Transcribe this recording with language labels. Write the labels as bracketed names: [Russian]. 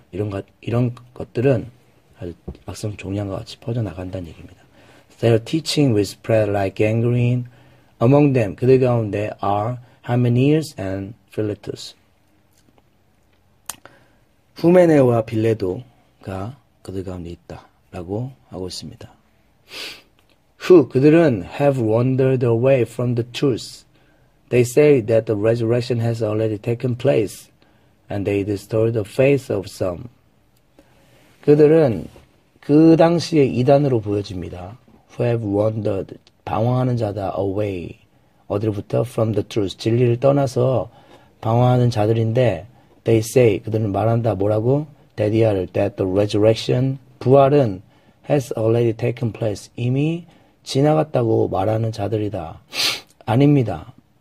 [Korean] 이런 것들은 아주 악성 종양과 같이 퍼져나간다는 얘기입니다. [English] Their teaching will spread like gangrene. Among them, [Korean] 그들 가운데 [English] are Hymenaeus and Philetus. [Korean] 후메네와 빌레도가 그들 가운데 있다라고 하고 있습니다. [English] Who [Korean] 그들은 [English] have wandered away from the truth. They say that the resurrection has already taken place, and they destroy the faith of some. [Korean] 그들은 그 당시에 이단으로 보여집니다. [English] Who have wandered [Korean] 방황하는 자다 [English] away [Korean] 어디로부터 [English] from the truth [Korean] 진리를 떠나서 방황하는 자들인데 [English] they say [Korean] 그들은 말한다 뭐라고 [English] that the resurrection [Korean] 부활은 [English] has already taken place [Korean] 이미 지나갔다고 말하는 자들이다. 아닙니다.